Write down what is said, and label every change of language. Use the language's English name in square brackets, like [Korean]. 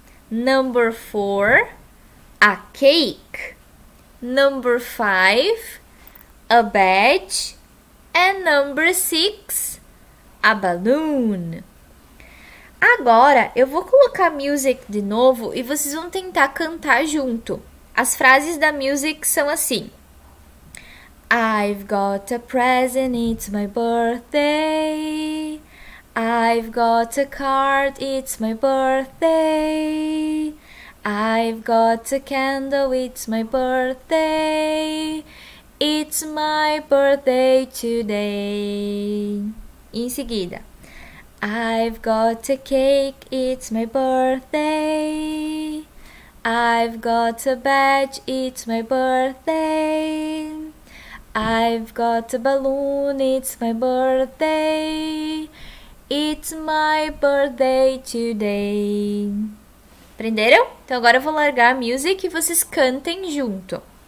[English] Number four, a cake. Number five, a badge. And number six, a balloon. [Portuguese] Agora eu vou colocar music de novo e vocês vão tentar cantar junto. As frases da music são assim: [English] I've got a present, it's my birthday. I've got a card, it's my birthday. I've got a candle, it's my birthday. It's my birthday today. [Portuguese] Em seguida, [English] I've got a cake, it's my birthday. I've got a badge, it's my birthday. I've got a balloon, it's my birthday. It's my birthday today. [Portuguese] Aprenderam? Então agora eu vou largar a music e vocês cantem junto.